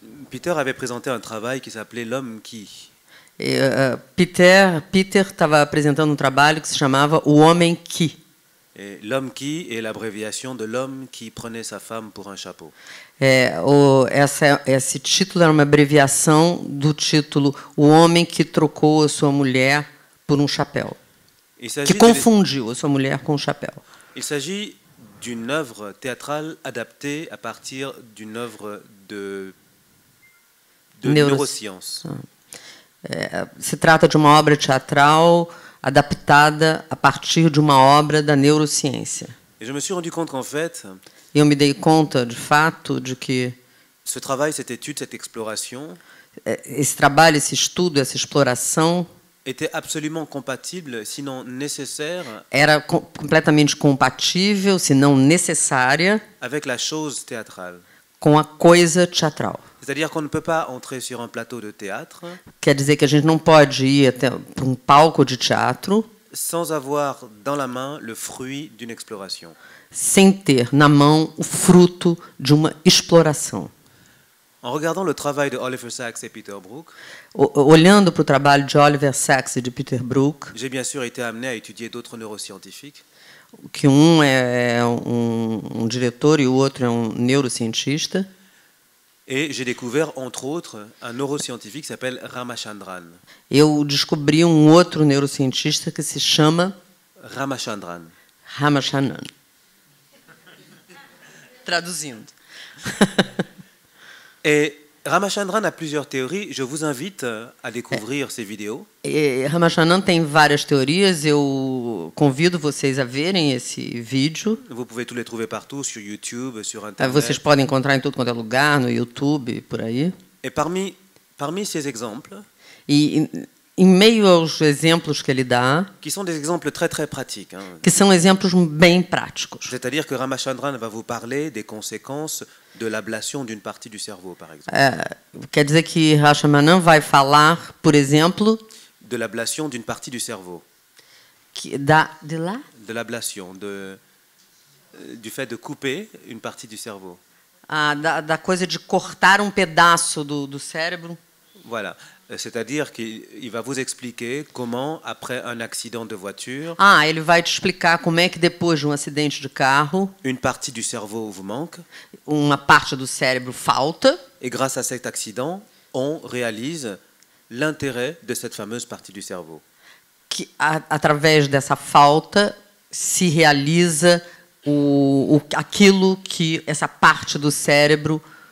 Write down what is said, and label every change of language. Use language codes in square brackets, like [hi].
[fr] Peter avait présenté un travail qui s'appelait L'homme qui. [pt] Peter estava apresentando um trabalho que se chamava O Homem Qui. [fr] Et L'homme Qui est l'abréviation de l'homme qui prenait sa femme pour un chapeau. [pt] Esse título era uma abreviação do título O Homem Que Trocou a Sua Mulher por um Chapéu. Que confundiu a sua mulher com um chapéu. [fr] Il s'agit d'une œuvre théâtrale adaptée à partir d'une œuvre de neurosciences. [pt] Se trata de uma obra teatral adaptada a partir de uma obra da neurociência. [fr] Et je me suis rendu compte qu'en fait, [pt] eu me dei conta de fato de que [fr] ce travail, cette étude, cette exploration, [pt] esse trabalho, esse estudo, essa exploração [fr] était absolument compatible, sinon nécessaire, [pt] era completamente compatível, se não necessária, [fr] avec la chose théâtrale. [pt] Com a coisa teatral. [fr] C'est-à-dire qu'on ne peut pas entrer sur un plateau de théâtre. [pt] Quer dizer que a gente não pode ir até para um palco de teatro [fr] sans avoir dans la main le fruit d'une exploration. [pt] Sem ter na mão o fruto de uma exploração. [fr] En regardant le travail de Oliver Sacks et Peter Brook, [pt] olhando para o trabalho de Oliver Sacks e de Peter Brook, [fr] j'ai bien sûr été amené à étudier d'autres neuroscientifiques. [pt] Que um é um diretor e o outro é um neurocientista. [fr] Et j'ai découvert entre autres un neuroscientifique qui s'appelle Ramachandran. [pt] Eu descobri um outro neurocientista que se chama Ramachandran. Ramachandran. Traduzindo. [fr] Et Ramachandran a plusieurs théories, je vous invite à découvrir ces vidéos. [pt] Ramachandran tem várias teorias, eu convido vocês a verem esse vídeo. [fr] Vous pouvez tous les trouver partout sur YouTube, sur internet. [pt] Vocês podem encontrar em tudo quanto é lugar, no YouTube, por aí. [fr] Et parmi ces exemples, [pt] em meio aos exemplos que ele dá, [fr] qui sont des exemples très très pratiques, [pt] que são exemplos bem práticos. [fr] C'est-à-dire que Ramachandran va vous parler des conséquences de l'ablation d'une partie du cerveau, par exemple. [pt] Quer dizer que Ramachandran vai falar, por exemplo, [fr] de l'ablation d'une partie du cerveau. De l'ablation, du fait de couper une partie du cerveau. [pt] Ah, da coisa de cortar um pedaço do cérebro. [fr] Voilà. C'est-à-dire qu'il va vous expliquer comment, après un accident de voiture... [pt] Ah, ele vai te explicar como é que depois de um acidente de carro... [fr] Une partie du cerveau vous manque. [pt] Uma parte do cérebro falta. [fr] Et grâce à cet accident, on réalise l'intérêt de cette fameuse partie du cerveau. [pt] Que, através dessa falta, se realiza aquilo que essa parte do cérebro...